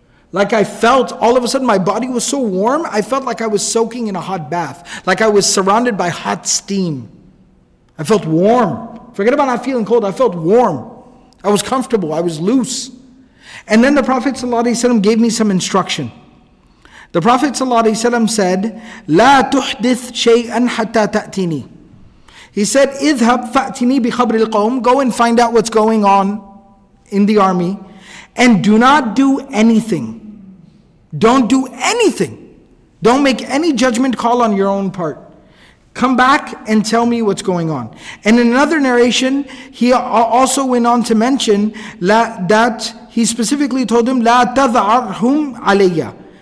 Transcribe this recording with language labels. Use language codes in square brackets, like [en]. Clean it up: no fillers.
[en] Like I felt, all of a sudden my body was so warm, I felt like I was soaking in a hot bath. Like I was surrounded by hot steam. I felt warm. Forget about not feeling cold, I felt warm. I was comfortable, I was loose. And then the Prophet ﷺ gave me some instruction. [ar] The Prophet ﷺ said, لا تحدث شيئا حتى تأتيني. He said, اذهب فأتيني بخبر القوم. [en] Go and find out what's going on in the army. And do not do anything. Don't do anything. Don't make any judgment call on your own part. Come back and tell me what's going on. And in another narration, he also went on to mention that he specifically told him, لَا تَذَعَرْهُمْ عَلَيَّ.